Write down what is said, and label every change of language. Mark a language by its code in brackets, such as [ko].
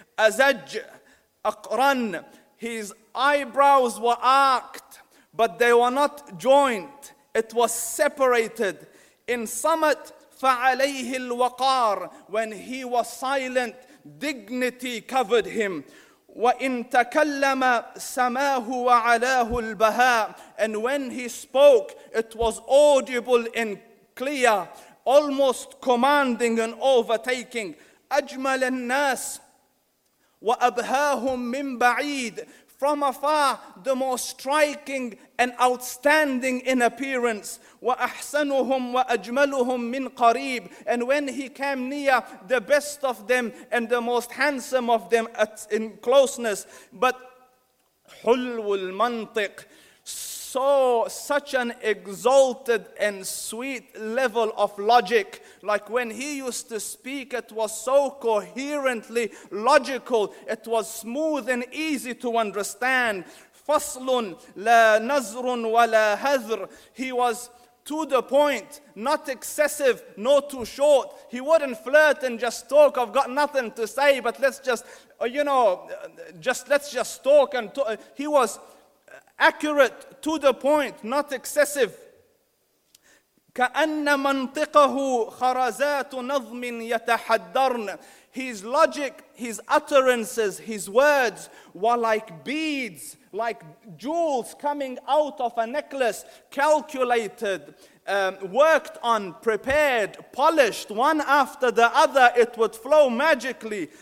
[ar] أزج أقرن, [en] his eyebrows were arched, but they were not joined. It was separated. In summit, [ar] فعليه الوقار. [en] When he was silent, dignity covered him. [ar] وإن تكلم سماه وعلاه البهاء. [en] And when he spoke, it was audible and clear, almost commanding and overtaking. [ar] أجمل الناس وأبهاهم من بعيد. [en] From afar, the most striking and outstanding in appearance. [ar] وَأَحْسَنُهُمْ وَأَجْمَلُهُمْ مِنْ قَرِيبٍ. [en] And when he came near, the best of them and the most handsome of them at, in closeness. But [ar] حُلْوُ الْمَنْطِقِ, [en] so such an exalted and sweet level of logic. Like when he used to speak, it was so coherently logical. It was smooth and easy to understand. [ar] فَصْلٌ لَا نَزْرٌ وَلَا هَذْرٌ. [en] He was to the point, not excessive, nor too short. He wouldn't flirt and just talk. I've got nothing to say, but let's just, you know, just let's just talk and talk. He was accurate, to the point, not excessive. [ar] كأن منطقه خرزات نظم يتحدرن. [en] His logic, his utterances, his words were like beads, like jewels coming out of a necklace, calculated, worked on, prepared, polished, one after the other, it would flow magically.